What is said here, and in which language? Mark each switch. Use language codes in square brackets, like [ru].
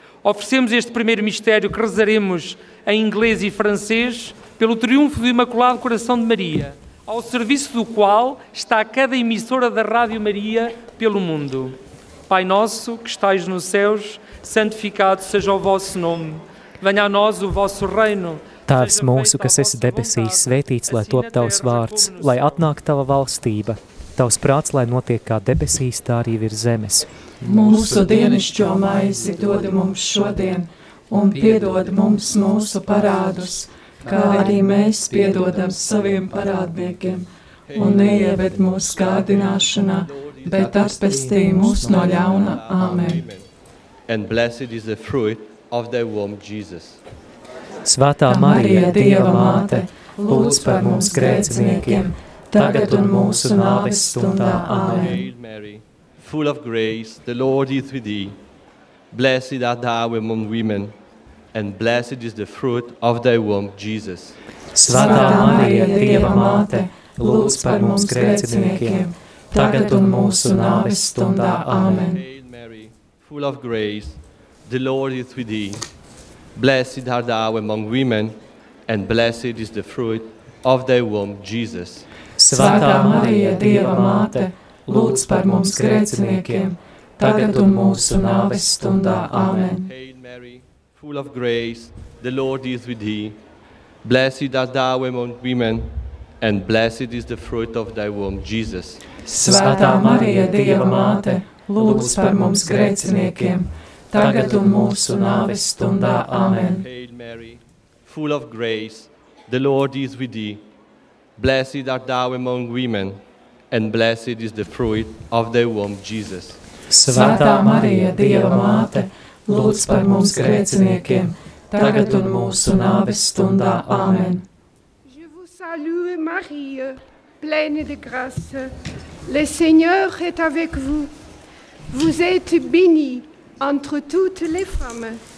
[pt] Oferecemos este primeiro mistério que rezaremos em inglês e francês pelo triunfo do Imaculado Coração de Maria, ao serviço do qual está cada emissora da Rádio Maria pelo mundo. Pai nosso, que estais nos céus, santificado seja o vosso nome. Venha a nós o vosso reino. [lv] Tēvs mūsu, kas esi debesīs, svētīts, lai top tavs vārds, lai atnāk tava valstība. Tavs prāts, lai notiek kā debesīs, tā arī virs zemes. Mūsu dienišķo maizi dod mums šodien, un piedod mums mūsu parādus, kā arī mēs piedodam saviem parādniekiem. Un neieved mūsu kārdināšanā, bet atpestī mūs no ļauna. Āmen. [en] And blessed is the fruit of thy womb, Jesus. [lv] Svētā Marija, Dieva Māte, lūdz par mums grēciniekiem, tagad un mūsu nāves stundā. Āmen. [en] Mary, full of grace, the Lord is with thee. Blessed art thou among women, and blessed is the fruit of thy womb, Jesus. [lv] Svētā Marija, Dieva Māte, lūdz par mums grēciniekiem, tagad un mūsu nāves stundā. Āmen. [en] Mary, full of grace, the Lord is with thee. Blessed art thou among women, and blessed is the fruit of thy womb, Jesus. [lv] Svētā Marija, Dieva Māte, lūdz par mums grēciniekiem, tagad un mūsu nāves stundā. Āmen. [en] Hail Mary, full of grace, the Lord is with thee. Blessed art thou among women, and blessed is the fruit of thy womb, Jesus. [lv] Svētā Marija, Dieva Māte, lūdz par mums grēciniekiem, tagad un mūsu nāves stundā. Āmen. [en] Hail Mary, full of grace, the Lord is with thee. Blessed art thou among women, and blessed is the fruit of thy womb, Jesus. [lv] Svētā Marija, Dieva Māte, lūdz par mums grēciniekiem, tagad un mūsu nāves stundā. Āmen. [fr] Je vous salue, Marie, pleine de grâce. Le Seigneur est avec vous. Vous êtes bénie entre toutes les femmes.